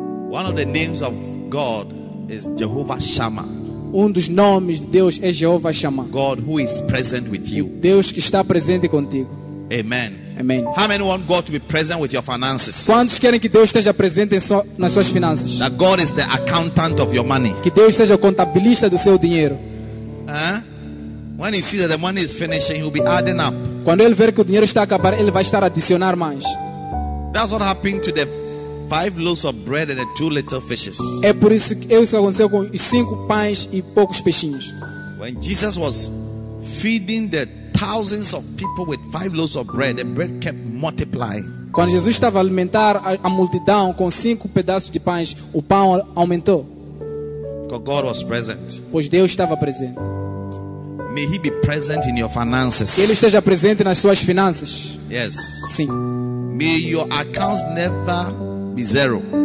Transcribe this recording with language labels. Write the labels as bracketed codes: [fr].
[en] One of the names of God is Jehovah Shammah. [pt] Um dos nomes de Deus é Jeová Shammah. [en] God who is present with you. [pt] Deus que está presente contigo. [en] Amen. [pt] Amen. [en] How many want God to be present with your finances? [pt] Quantos querem que Deus esteja presente nas suas finanças? [en] That God is the accountant of your money. [pt] Que Deus seja o contabilista do seu dinheiro. [en] When he sees that the money is finishing, he will be adding up. [pt] Quando ele ver que o dinheiro está a acabar, ele vai estar a adicionar mais. [en] That's what happened to the 5 loaves of bread and the 2 little fishes. [pt] É por isso que isso aconteceu com os 5 pães e poucos peixinhos. [en] When Jesus was feeding the thousands of people with 5 loaves of bread, the bread kept multiplying. [pt] Quando Jesus estava a alimentar a multidão com 5 pedaços de pães, o pão aumentou. [en] Because God was present. [pt] Pois Deus estava presente. [en] May He be present in your finances. [pt] Que Ele esteja presente nas suas finanças. [en] Yes. [pt] Sim. [en] May your accounts never be zero.